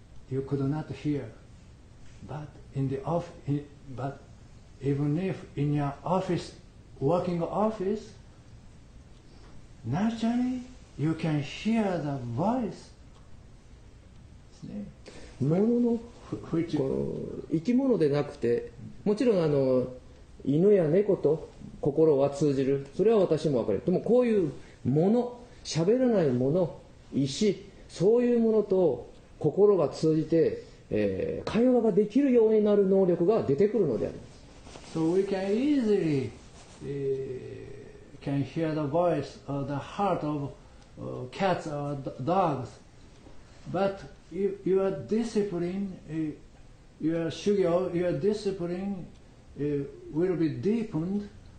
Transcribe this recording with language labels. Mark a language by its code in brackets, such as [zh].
[en] You could not hear, but in the office, but even if in your office, working office, naturally you can hear the voice. [ja] ものの [en] which... [ja] 生き物でなくて、もちろんあの犬や猫と心は通じる、それは私も分かる。でもこういうもの、喋らないもの、石、そういうものと心が通じて、会話ができるようになる能力が出てくるのであります。 [en] So we can easily、can hear the voice of the heart of、cats or dogs. But your discipline、your 修行, your discipline、will be deepened.